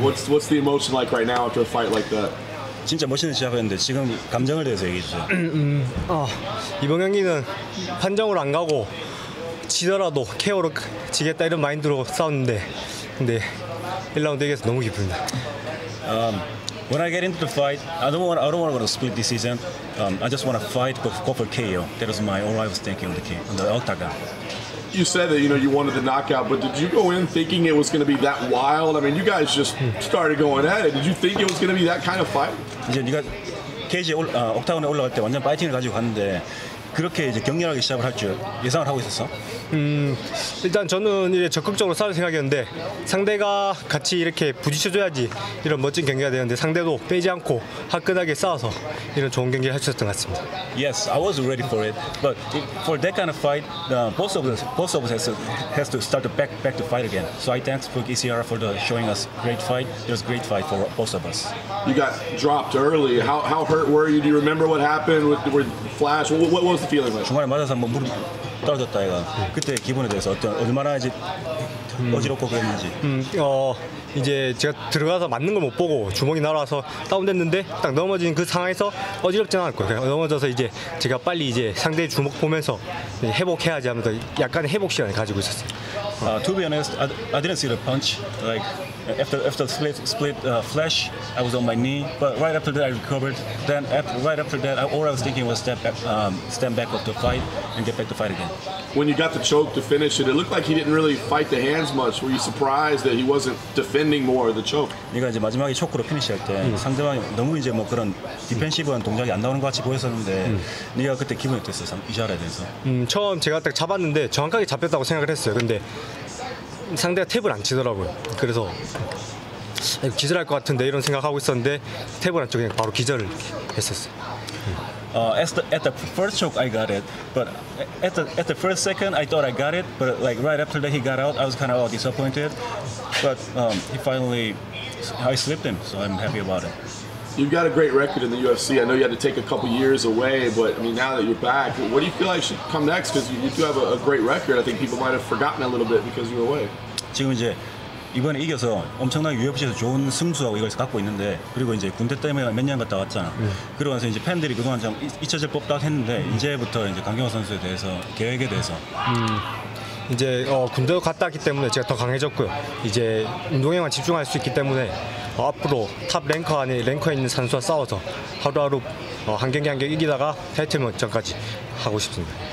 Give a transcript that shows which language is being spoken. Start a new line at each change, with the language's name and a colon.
English: What's the emotion like right now after a fight like that?
Korean: 진짜 멋있는 시합이었는데 지금 감정을 대해서 얘기해 주세요. 이번 경기는 판정으로 안 가고 지더라도 KO로 지겠다 이런 마인드로 싸웠는데 근데 1라운드 이겨서 너무 기쁩니다.
English: When I get into the fight, I don't want to split decision. I just want to fight for proper KO. That was my all I was thinking of the octagon. You said that you know you wanted the knockout, but did you go in thinking it was going to be that wild? I mean, you guys just started going at it. Did you think it was going to be that kind of fight?
Korean: 이제 네가 케이지 옥타곤에 올라갈 때 완전 파이팅을 가지고 갔는데 그렇게 이제 격렬하게 시합을 할 줄 예상을 하고 있었어? 일단 저는 이제 적극적으로 싸울 생각이었는데 상대가 같이 이렇게 부딪혀줘야지 이런 멋진 경기가 되는데 상대도 빼지 않고 화끈하게 싸워서 이런 좋은 경기를 할 수 있었던 것 같습니다.
English: Yes, I was ready for it. But for that kind of fight, both of us has to start to back to fight again. So I thanks for ECR for the showing us great fight. It was a great fight for both of us. You got dropped early. How hurt were you? Do you remember what happened with Flash? What was the feeling like?
Korean: 중간에 맞아서 한번 무릎 떨어졌다 얘가. 그때 기분에 대해서 얼마나 이제 어지럽고 그랬는지. 이제 제가 들어가서 맞는 걸 못 보고 주먹이 날아와서 다운됐는데 딱 넘어진 그 상황에서 어지럽지 않았고 그냥 넘어져서 이제 제가 빨리 이제 상대의 주먹 보면서 회복해야지 하면서 약간의 회복 시간을 가지고 있었어요.
English: To be honest, I didn't see the punch. Like after split flash, I was on my knee. But right after that, I recovered. Then all I was thinking was stand back of the fight and get back to fight again. When you got the choke to finish it, it looked like he didn't really fight the hands much. Were you surprised that he wasn't defending more the choke?
Korean: 네가 이제 마지막에 초크로 피니시할 때 상대방이 너무 이제 뭐 그런 디펜시브한 동작이 안 나오는 것 같이 보였었는데 네가 그때 기분이 어땠어? 이샤라에 대해서? 처음 제가 딱 잡았는데 정확하게 잡혔다고 생각을 했어요. 근데 상대가 탭을 안 치더라고요. 그래서 기절할 것 같은데 이런 생각하고 있었는데 탭을 안 치고 그냥 바로 기절을 했었어요.
English: At the first choke, I got it. But at the first second, I thought I got it. But like right after that, he got out. I was kind of all disappointed. But I slipped him, so I'm happy about it. You've got a great record in the UFC. I know you had to take a couple years away, but I mean, now that you're back, what do you feel like should come next? Because you do have a great record. I think people might have forgotten a little bit because you were away.
Korean: 지금 이제 이번에 이겨서 엄청난 UFC에서 좋은 승수하고 이걸 갖고 있는데 그리고 이제 군대 때문에 몇 년 갔다 왔잖아. 그러면서 이제 팬들이 그동안 좀 잊혀질 법도 했는데 이제부터 이제 강경호 선수에 대해서 계획에 대해서. 이제 군대도 갔다 왔기 때문에 제가 더 강해졌고요. 이제 운동에만 집중할 수 있기 때문에 앞으로 탑 랭커 안에 랭커에 있는 선수와 싸워서 하루하루 한 경기 한 경기 이기다가 타이틀 전까지 하고 싶습니다.